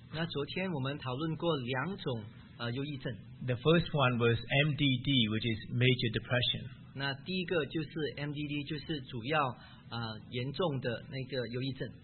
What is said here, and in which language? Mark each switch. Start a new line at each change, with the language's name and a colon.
Chinese: 那昨天我们讨论过两种忧郁症。
English: The first one was MDD, which is major depression.
Chinese: 那第一个就是 MDD, 就是主要严重的那个忧郁症。